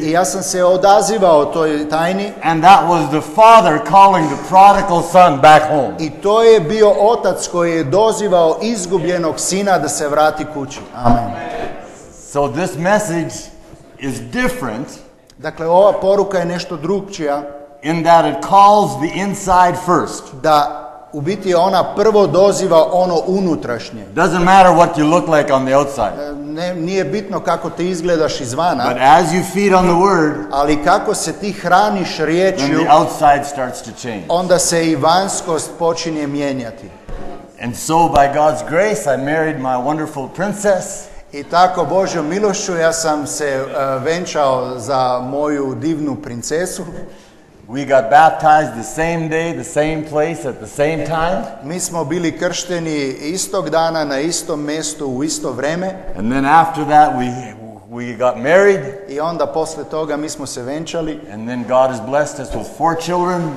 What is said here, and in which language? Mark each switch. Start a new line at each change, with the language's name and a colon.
Croatian: I ja sam se odazivao toj tajni.
English: And that was the father calling the prodigal son back home.
Croatian: I to je bio otac koji je dozivao izgubljenog sina da se vrati kući. Amen.
English: So this message is different.
Croatian: Dakle, ova poruka je nešto drugčija.
English: In that it calls the inside first.
Croatian: Da u biti ona prvo doziva ono unutrašnje.
English: Doesn't matter what you look like on the outside.
Croatian: Nije bitno kako ti izgledaš izvana.
English: But as you feed on the word,
Croatian: ali kako se ti hraniš riječju,
English: then the outside starts to change.
Croatian: Onda se i vanjskost počinje mijenjati.
English: And so by God's grace I married my wonderful princess.
Croatian: I tako Božjom milošću ja sam se venčao za moju divnu princesu.
English: We got baptized the same day, the same place, at the same time.
Croatian: Mi smo bili kršteni istog dana na istom mjestu u isto vrijeme.
English: And then after that we got married.
Croatian: I onda posle toga mi smo se venčali.
English: And then God has blessed us with 4 children.